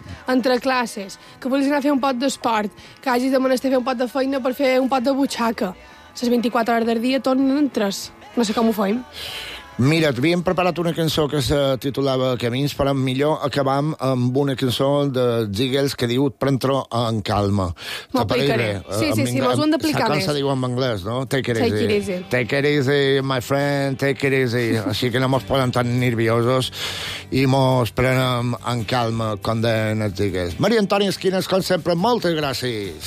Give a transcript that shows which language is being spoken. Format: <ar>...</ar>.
<ca>Entre classes, que vulguis anar a fer un pot d'esport, que hagis de menester fer un pot de feina per fer un pot de butxaca. Les 24 hores del dia tornen en 3. No sé com ho fem. Mira, havíem preparat una cançó que es titulava Camins, però millor acabam amb una cançó de Ziggles que diu Prendre en calma. M'ho aplicaré. Sí, vos ho hem d'aplicar més. Se diu en anglès, no?</ca> <en>Take it easy. Take it easy, my friend, take it easy.</en> <ca>Així que no mos poden tan nerviosos i mos prenem en calma com deien els Ziggles. Maria Antònia Esquines, com sempre, moltes gràcies.</ca>